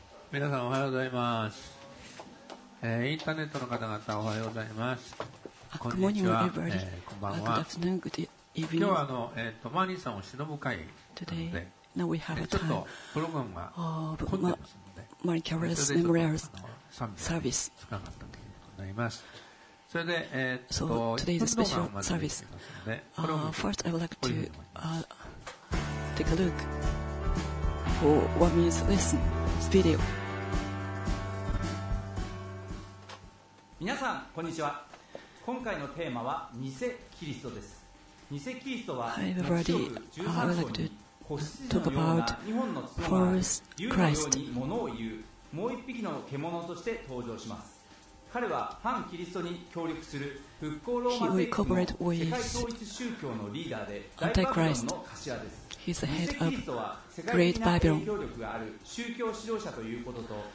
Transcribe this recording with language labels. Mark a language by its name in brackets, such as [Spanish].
[Japanese] 皆さんおはようございます、インターネットの方々おはようございます。こんにちは。こんばんは。今日はマーニーさんをしのぶ会なので、ちょっとプログラムが混んでますので、それでちょっと賛美が少なかったということになります。それで、 [English] today's special service. First, I would like to take a look for what means listen video. [Japanese] 皆さん、こんにちは。今回のテーマは偽キリストです。偽キリストは、 [English] Hi, everybody. I would like to talk about false Christ. [Japanese] ものを言う、もう一匹の獣として登場します。彼は反キリストに協力する復興ローマ政府の世界統一宗教のリーダーで大バビロンの頭です。偽キリストは世界的な影響力がある宗教指導者ということと、